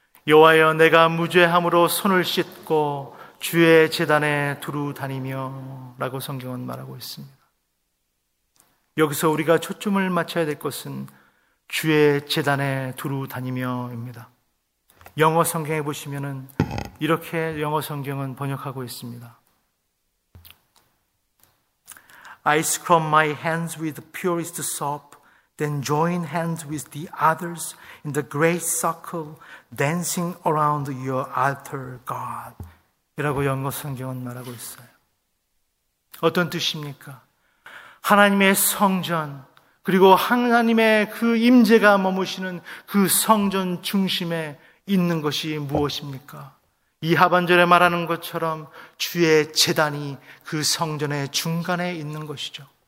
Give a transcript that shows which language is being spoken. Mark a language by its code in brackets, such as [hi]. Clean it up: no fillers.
[ko] 여호와여, 내가 무죄함으로 손을 씻고 주의 제단에 두루 다니며, 라고 성경은 말하고 있습니다. 여기서 우리가 초점을 맞춰야 될 것은 주의 제단에 두루 다니며입니다. 영어 성경에 보시면은 이렇게 영어 성경은 번역하고 있습니다. [en] I scrub my hands with the purest soap, then join hands with the others in the great circle dancing around your altar, God. [ko] 이라고 영어 성경은 말하고 있어요. 어떤 뜻입니까? 하나님의 성전, 그리고 하나님의 그 임재가 머무시는 그 성전 중심에 있는 것이 무엇입니까? 이 하반절에 말하는 것처럼 주의 제단이 그 성전의 중간에 있는 것이죠.